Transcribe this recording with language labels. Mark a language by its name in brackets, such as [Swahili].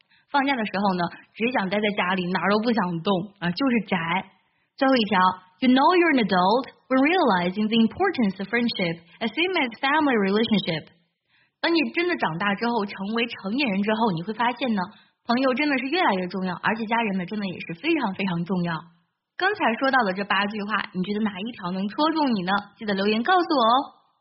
[Chinese] 放假的时候呢只想待在家里哪儿都不想动啊，就是宅。最后一条 [English] You know you're an adult when realizing the importance of friendship as same as family relationship. [Chinese] 当你真的长大之后成为成年人之后你会发现呢朋友真的是越来越重要而且家人们真的也是非常非常重要。刚才说到的这八句话，你觉得哪一条能戳中你呢？记得留言告诉我哦。